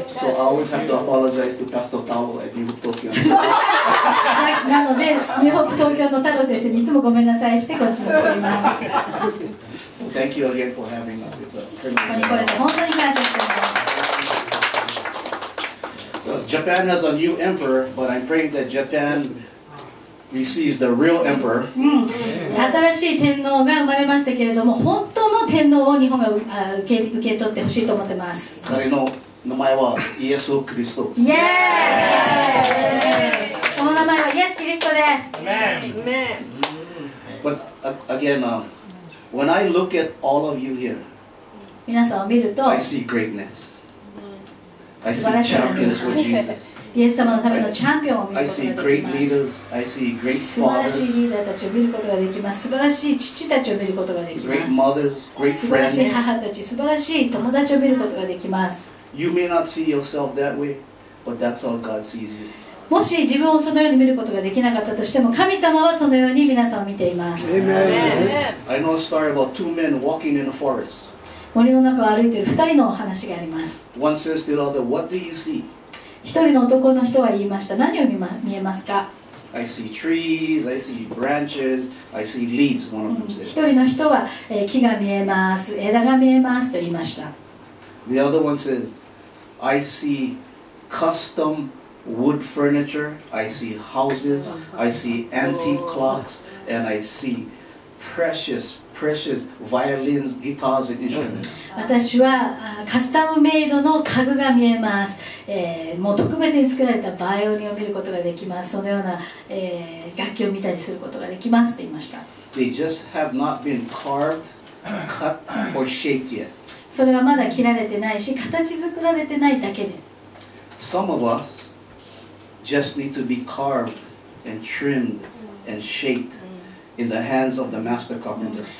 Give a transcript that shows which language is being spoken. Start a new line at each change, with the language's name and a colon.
English: So I always have to apologize to Pastor Tao at New Hope Tokyo.
Japanese: なのでニューホープ東京の太郎先生にいつもごめんなさいしてこっちに来ています。
English: So thank you again for having us. It's a
Japanese: ここに来れて本当に感謝しています。
English: Japan has a new emperor, but I'm praying that Japan receives the real emperor.
Japanese: 新しい天皇が生まれましたけれども、本当の天皇を日本が受け取ってほしいと思ってます。彼の名前はイエス・キリスト。イエーイ。その名前はイエス・キリストです。アメン。アメン。
English: But again, when I look at all of you here,
Japanese: 皆さんを見ると、
English: I see greatness. I see champions with Jesus.
Japanese: イエス様のためのチャンピオンを見ることができます。
English: I see great leaders. I see great fathers.
Japanese: 素晴らしいリーダーたちを見ることができます。素晴らしい父たちを見ることができます。
English: Great mothers. Great friends.
Japanese: 素晴らしい母たち、素晴らしい友達を見ることができます。
English: You may not see yourself that way, but that's how God sees you.
Japanese: もし自分をそのように見ることができなかったとしても、神様はそのように皆さんを見ています。
English: Amen. I know a story about two men walking in a forest.
Japanese: 森の中を歩いている二人の話があります。
English: One says to the other, "What do you see?"
Japanese: 一人の男の人は言いました。何を見えますか？
English: I see trees. I see branches. I see leaves. One of them says.
Japanese: 一人の人は木が見えます、枝が見えますと言いました。
English: The other one says, I see custom wood furniture, I see houses, I see antique clocks, and I see precious, precious violins, guitars, and instruments.
Japanese: 私はカスタムメイドの家具が見えます。もう特別に作られたバイオリンを見ることができます。そのような楽器を見たりすることができますと言いました。
English: They just have not been carved, cut, or shaped yet.
Japanese: それはまだ切られてないし、形作られてないだけで。
English: Some of us just need to be carved and trimmed and shaped in the hands of the master carpenter.